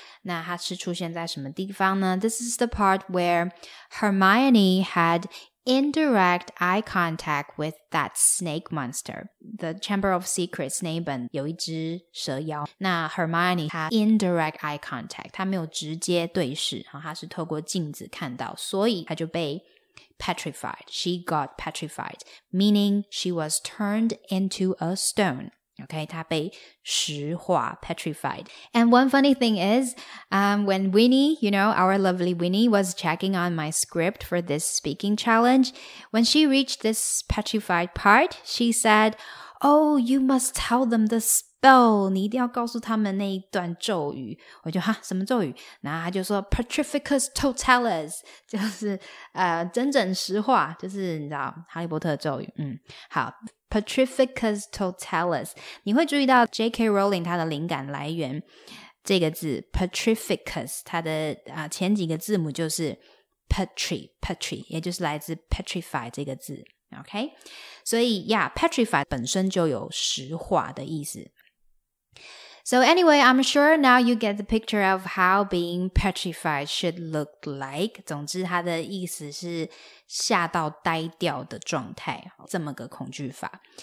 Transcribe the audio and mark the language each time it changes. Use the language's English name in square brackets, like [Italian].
[Chinese] 那它是出现在什么地方呢？ [English] This is the part where Hermione had indirect eye contact with that snake monster. [Chinese] The Chamber of Secrets 那一本有一只蛇妖，那 Hermione 她 [English] indirect eye contact， [Chinese] 她没有直接对视，她是透过镜子看到，所以她就被 petrified. [English] She got petrified, meaning she was turned into a stone. [Chinese] Okay, 他被石化 petrified. [English] And one funny thing is, when Winnie, you know, our lovely Winnie was checking on my script for this speaking challenge, when she reached this petrified part, she said, oh, you must tell them the spell. [Chinese] 你一定要告诉他们那一段咒语。我就哈，什么咒语？然后他就说 petrificus totalus, 就是整整石化，就是你知道哈利波特咒语。好。 Petrificus totalus， 你会注意到 J.K. Rowling 他的灵感来源这个字 petrificus， 它的前几个字母就是 petri， 也就是来自 petrify 这个字。 OK， 所以 yeah， petrify 本身就有石化的意思。 [English] So anyway, I'm sure now you get the picture of how being petrified should look like. [Chinese] 总之它的意思是吓到呆掉的状态，这么个恐惧法。